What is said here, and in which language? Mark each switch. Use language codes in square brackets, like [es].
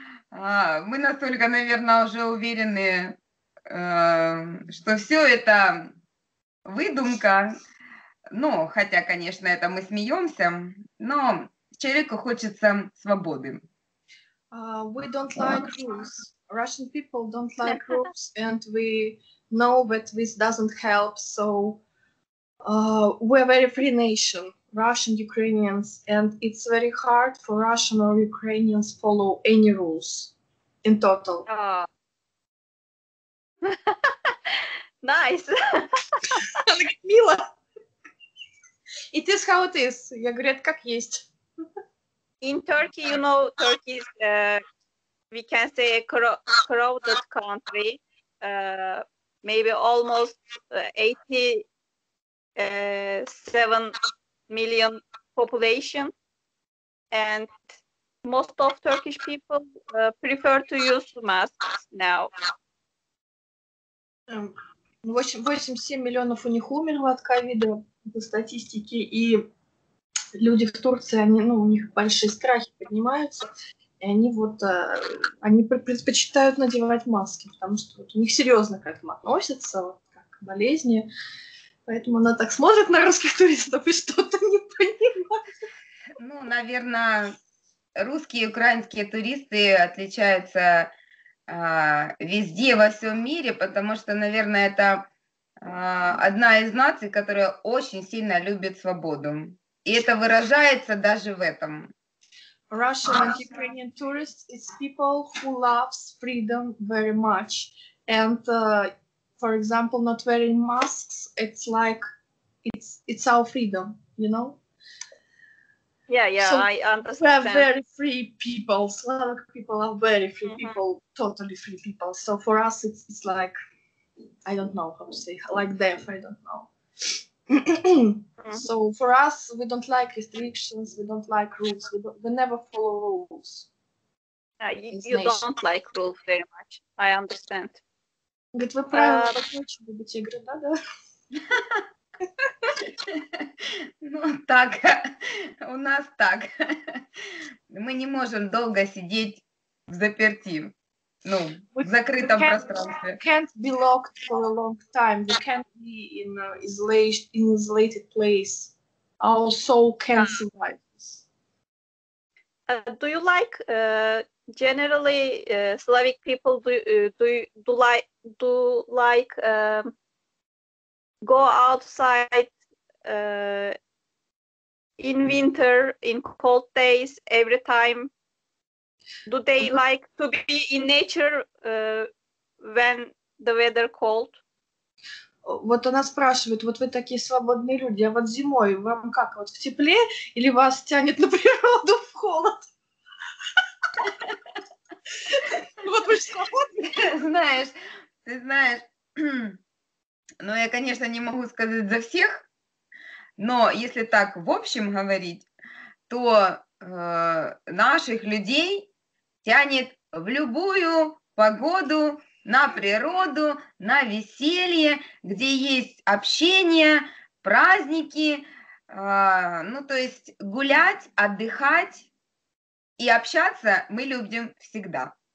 [ru] Мы настолько, наверное, уже уверены, что все это выдумка. Ну, хотя, конечно, это мы смеемся, но человеку хочется свободы. [en] We don't like rules. Russian people don't like rules, and we know that this doesn't help. So we're a very free nation, Russian Ukrainians, and it's very hard for Russian or Ukrainians follow any rules in total. Nice. Мила. It is how it is. [ru] Я говорю, это как есть. [en] In Turkey, you know, Turkey is, we can say, a crowded country. Maybe almost 87 million population. And most of Turkish people prefer to use masks now. [ru] 87 миллионов у них умерло от ковида. По статистике, и люди в Турции, они, ну, у них большие страхи поднимаются, и они вот, они предпочитают надевать маски, потому что вот у них серьезно к этому относятся, вот, как к болезни, поэтому она так смотрит на русских туристов и что-то не понимает. Ну, наверное, русские и украинские туристы отличаются везде, во всем мире, потому что, наверное, это... одна из наций, которая очень сильно любит свободу. И это выражается даже в этом. [en] Russian and Ukrainian tourists is people who loves freedom very much. And, for example, not wearing masks, it's like, it's our freedom, you know? Yeah, so I understand. We are very free people. A lot of people are very free people, totally free people. So for us, it's like... I don't know how to say, like death, I don't know. So for us, we don't like restrictions, we don't like rules, we never follow rules. You don't like rules very much, I understand. [ru] Говорит, вы правила очень любите игры, да? Да. Ну так, у нас так. Мы не можем долго сидеть в заперти. Ну, в закрытом пространстве. [en] We can't be locked for a long time. We can't be in an isolated place. Our soul can't survive. Do you like generally Slavic people do like go outside in winter in cold days every time? Do they like to be in nature when the weather cold? [ru] Вот она спрашивает, вот вы такие свободные люди, а вот зимой вам как, вот в тепле или вас тянет на природу в холод? Вот вы же свободные. Ты знаешь, ну я, конечно, не могу сказать за всех, но если так в общем говорить, то наших людей тянет в любую погоду, на природу, на веселье, где есть общение, праздники, ну, то есть гулять, отдыхать и общаться мы любим всегда.